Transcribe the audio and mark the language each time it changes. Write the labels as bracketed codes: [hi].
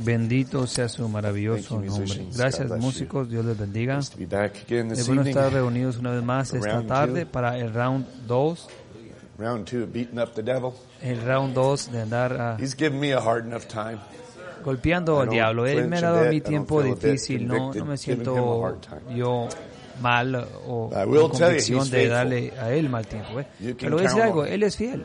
[es] Bendito sea su maravilloso nombre. Gracias, músicos. Dios les bendiga. [en] Nice to be back again this [es] es bueno estar reunidos una vez más esta tarde para el round 2. [en] Round 2 of beating up the devil. [es] El round 2 de andar a... [en] He's given me a hard enough time. [es] Golpeando al diablo. Él me ha dado mi tiempo difícil. No me siento yo mal o con convicción de darle a él mal tiempo. Pero dice algo, él es fiel.